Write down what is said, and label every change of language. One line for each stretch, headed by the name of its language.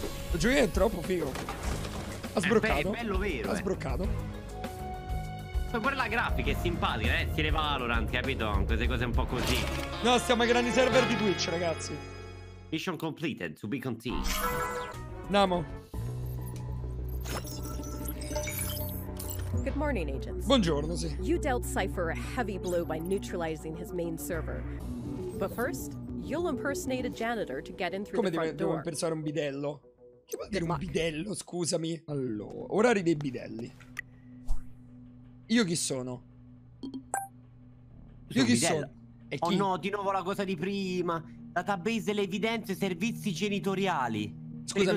Italian: Lo giochi è troppo figo. Ha sbroccato. È bello vero. Ha sbroccato. Ma pure la grafica è simpatica, eh. Stile Valorant, capito? Queste cose un po' così. No, siamo ai grandi server di Twitch, ragazzi.
English: Mission completed, to be continued.
Italian: Namo.
English: Good morning, agents.
Italian: Buongiorno, sì.
English: You dealt Cypher a heavy blow by neutralizing his main server. But first, you'll impersonate a janitor to get in through
Italian: come
English: the front door.
Italian: Come devo impersonare un bidello? Che vuol dire un bidello, scusami? Allora, orari dei bidelli. Io chi sono? Io chi sono? E chi? Oh no, di nuovo la cosa di prima. Database delle evidenze servizi genitoriali. Scusami.